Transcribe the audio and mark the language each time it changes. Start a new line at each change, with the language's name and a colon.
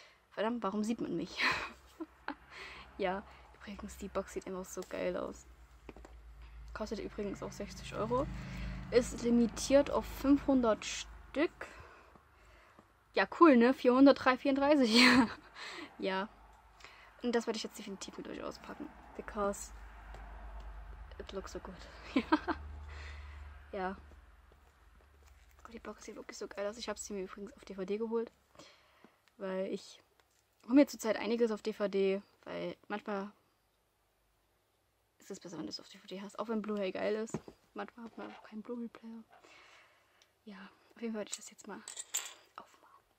German: Verdammt, warum sieht man mich? Ja, übrigens, die Box sieht einfach so geil aus. Kostet übrigens auch 60 Euro. Ist limitiert auf 500 Stück. Ja, cool, ne? 434. Ja. Und das werde ich jetzt definitiv mit euch auspacken.
English: Because it looks so good.
German: Ja. Die Box sieht wirklich so geil aus. Ich habe sie mir übrigens auf DVD geholt. Weil ich hole mir zurzeit einiges auf DVD. Weil manchmal ist es besser, wenn du es auf DVD hast. Auch wenn Blu-ray geil ist. Manchmal hat man auch keinen Blu-ray-Player. Ja, auf jeden Fall werde ich das jetzt mal aufmachen.